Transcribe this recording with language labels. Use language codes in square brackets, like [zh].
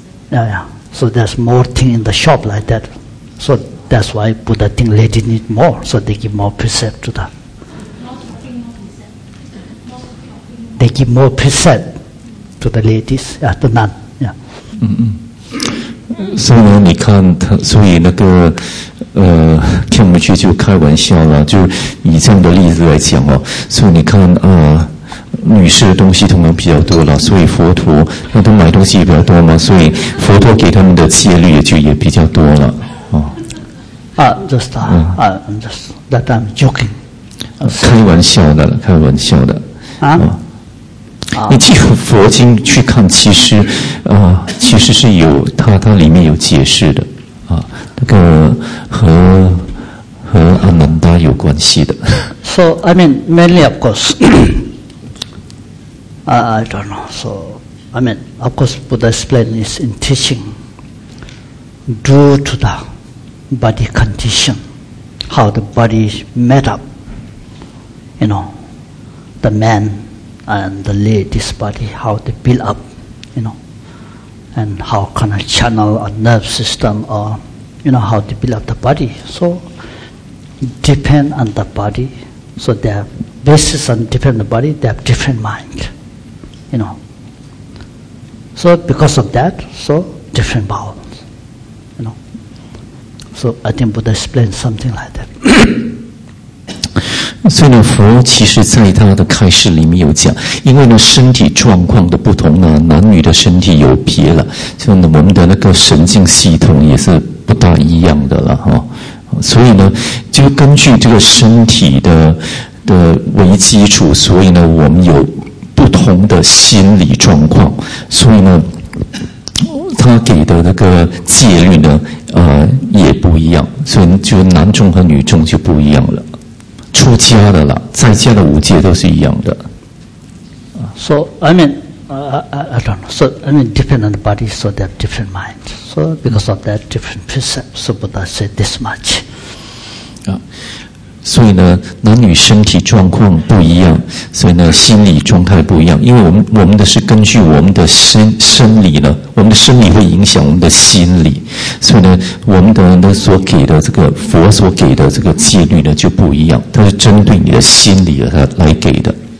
[en] Yeah. So there's more thing in the shop like that. So That's why Buddha think they did need more, so they give more precept to that. They give more precept to the ladies, yeah, the nun. Yeah. Mm-hmm. [zh] 所以呢，你看他，所以那个，听我们去就开玩笑了，就以这样的例子来讲哦。所以你看啊，女士的东西通常比较多了，所以佛陀那都买东西也比较多嘛，所以佛陀给他们的戒律也就也比较多了 [en] 啊。Just that I'm joking. [zh] 开玩笑的了，开玩笑的啊。你进入佛经去看，其实，其实是有它里面有解释的，啊，那个和阿难达有关系的。 [en] So I mean mainly of course, I don't know. So I mean of course Buddha explained this in teaching due to the body condition, how the body is made up. You know, the man. And the lady's body, how they build up, you know, and how kind of channel a nerve system, or, you know, how they build up the body. So, depend on the body. So, they have basis on different body, they have different mind, you know. So, because of that, so different bowels, you know. So, I think Buddha explained something like that. [zh] 所以呢，佛其实在他的开示里面有讲，因为呢身体状况的不同呢，男女的身体有别了，像我们的那个神经系统也是不大一样的了哈、哦。所以呢，就根据这个身体的为基础，所以呢我们有不同的心理状况，所以呢他给的那个戒律呢，也不一样，所以就男众和女众就不一样了。出家的了，在家的五戒都是一样的。 [en] So I mean, I don't know. So I mean, depend on the body, so they have different minds. So because of that, different precepts. So Buddha said this much. [zh] 啊，所以呢，男女身体状况不一样，所以呢，心理状态不一样。因为我们的是根据我们的生理呢，我们的生理会影响我们的心理，所以呢，我们的那所给的这个佛所给的这个戒律呢就不一样，它是针对你的心理而来给的。